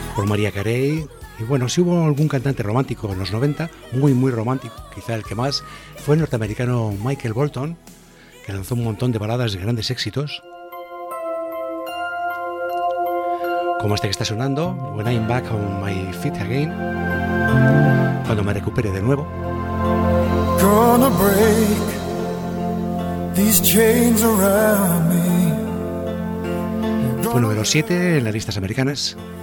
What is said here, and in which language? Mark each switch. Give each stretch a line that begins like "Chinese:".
Spanish: María Carey, y bueno, si hubo algún cantante romántico en los 90, muy muy romántico, quizá el que más, fue el norteamericano Michael Bolton, que lanzó un montón de baladas de grandes éxitos, como este que está sonando, When I'm Back on My Feet Again, cuando me recupere de nuevo.
English: Gonna break these chains around me.
Spanish: Fue número 7 en las listas americanas.